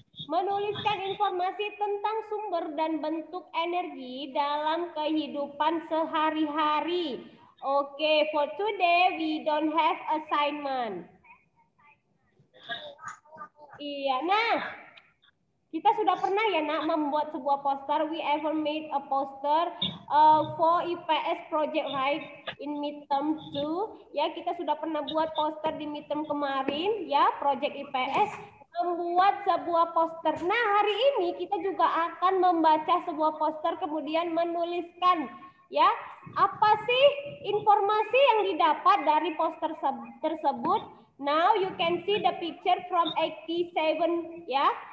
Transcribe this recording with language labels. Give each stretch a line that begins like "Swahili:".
Indonesian: Menuliskan informasi tentang sumber dan bentuk energi dalam kehidupan sehari-hari.
English: Oke, okay, for today we don't have assignment.
Indonesian: Iya, nah. Kita sudah pernah ya, Nak, membuat sebuah poster.
English: We ever made a poster for IPS project right in midterm 2.
Indonesian: Ya, kita sudah pernah buat poster di midterm kemarin ya, project IPS. Membuat sebuah poster. Nah, hari ini kita juga akan membaca sebuah poster kemudian menuliskan ya, apa sih informasi yang didapat dari poster tersebut.
English: Now you can see the picture from 87 ya.